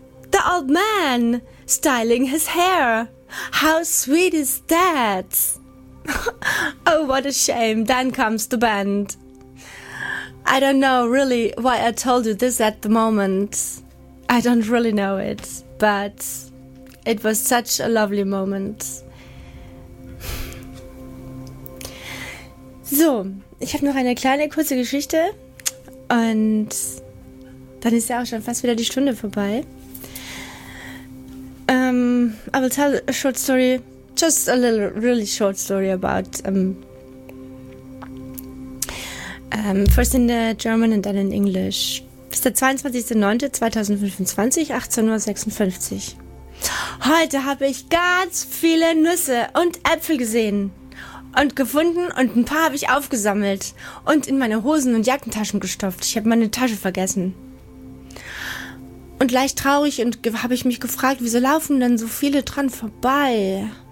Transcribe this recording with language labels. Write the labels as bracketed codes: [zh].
[en] The old man styling his hair. How sweet is that? Oh, what a shame. Then comes the bend. I don't know really why I told you this at the moment. I don't really know it, but it was such a lovely moment. [de] So, ich habe noch eine kleine kurze Geschichte. Und dann ist ja auch schon fast wieder die Stunde vorbei. [en] I will tell a short story, just a little, really short story about first in German and then in English. [de] Das ist der 22.09.2025, 18:56 Uhr. Heute habe ich ganz viele Nüsse und Äpfel gesehen. Und gefunden und ein paar habe ich aufgesammelt und in meine Hosen- und Jackentaschen gestopft. Ich habe meine Tasche vergessen. Und leicht traurig und habe ich mich gefragt, wieso laufen denn so viele dran vorbei?